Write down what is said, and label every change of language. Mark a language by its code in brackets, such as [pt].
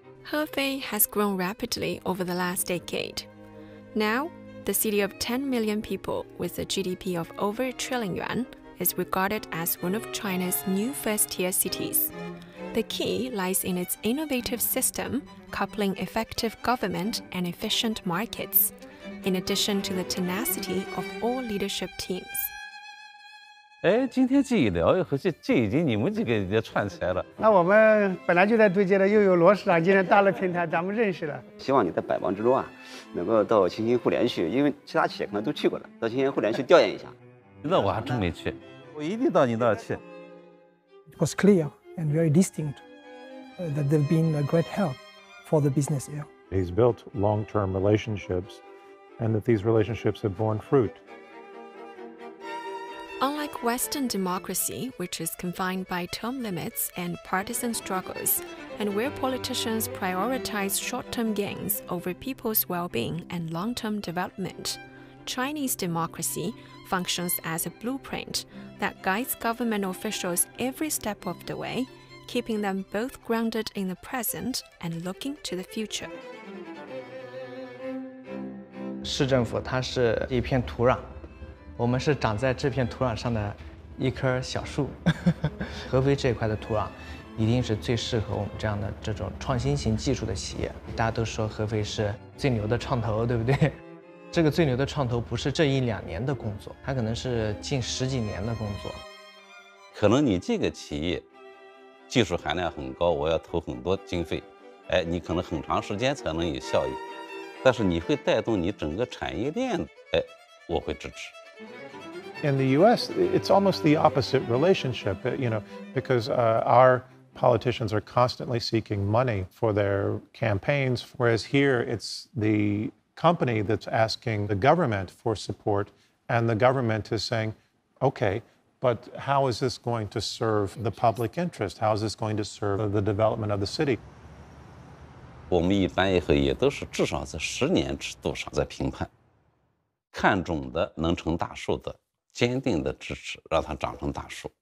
[en] Hefei has grown rapidly over the last decade. Now, the city of 10 million people with a GDP of over ₩1 trillion is regarded as one of China's new first-tier cities. The key lies in its innovative system, coupling effective government and efficient markets. In addition to the tenacity of all leadership teams. [zh] 哎，今天这一聊，和这已经你们几个也串起来了。那我们本来就在对接的，又有罗市长今天搭了平台，咱们认识了。希望你在百忙之中啊，能够到青青互联去，因为其他企业可能都去过了，到青青互联去调研一下。那我还真没去，我一定到你那儿去。 [en] It was clear and very distinct that they've been a great help for the business here. He's built long-term relationships. And that these relationships have borne fruit. Unlike Western democracy, which is confined by term limits and partisan struggles, and where politicians prioritize short-term gains over people's well-being and long-term development, Chinese democracy functions as a blueprint that guides government officials every step of the way, keeping them both grounded in the present and looking to the future. [zh] 市政府它是一片土壤，我们是长在这片土壤上的一棵小树。合肥这块的土壤一定是最适合我们这样的这种创新型技术的企业。大家都说合肥是最牛的创投，对不对？这个最牛的创投不是这一两年的工作，它可能是近十几年的工作。可能你这个企业技术含量很高，我要投很多经费，哎，你可能很长时间才能有效益。但是你会带动你整个产业链，哎，我会支持。 [en] In the U.S., it's almost the opposite relationship, you know, because our politicians are constantly seeking money for their campaigns, whereas here it's the company that's asking the government for support, and the government is saying, okay, but how is this going to serve the public interest? How is this going to serve the development of the city? [zh] 我们一般也都是至少在10年尺度上在评判，看中的能成大树的，坚定的支持，让它长成大树。